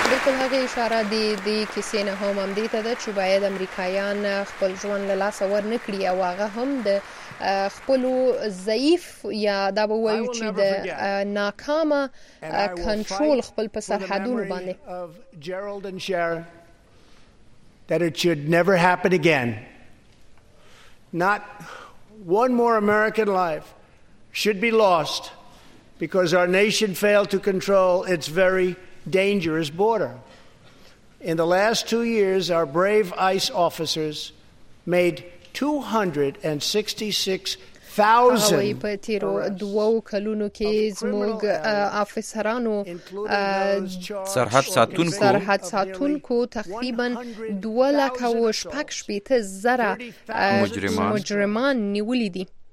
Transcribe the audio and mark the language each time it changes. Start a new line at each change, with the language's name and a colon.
Pashto: هغه اشاره دی د کیسې نه هم همدې ته ده چې باید امریکایان خپل ژوند له لاسه ور نه کړي او هغه هم د خپلو ضعیف یا دا به ووایو چې د ناکامه کنټرول خپل په سرحدونو باندې.
English: That it should never happen again. Not one more American life should be lost because our nation failed to control its very dangerous border. In the last 2 years, our brave ICE officers made 266,000 arrests.
Pashto: په تیرو دوو کلونو کې زموږ افسرانو سرحد ساتونکو تقریبا 2,68,000 مجرمان نیولی دي